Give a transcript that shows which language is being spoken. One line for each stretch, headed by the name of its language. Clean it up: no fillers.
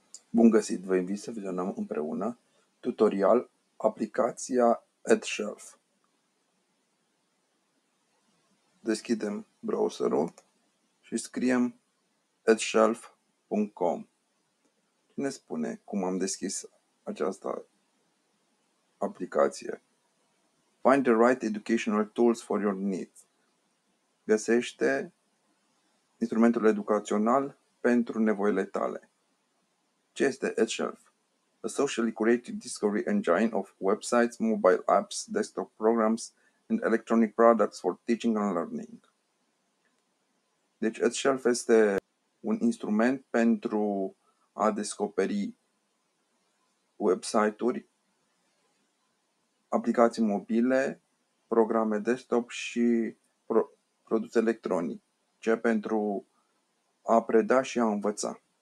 Romanian: Bun găsit, vă invit să vizionăm împreună tutorial aplicația AdShelf. Deschidem browserul și scriem adshelf.com. Ne spune cum am deschis această aplicație.
English: Find the right educational tools for your needs.
Romanian: Găsește instrumentul educațional pentru nevoile tale. Ce este AdShelf?
English: A socially curated discovery engine of websites, mobile apps, desktop programs and electronic products for teaching and learning.
Romanian: Deci AdShelf este un instrument pentru a descoperi website-uri, aplicații mobile, programe desktop și produse electronice pentru a preda și a învăța.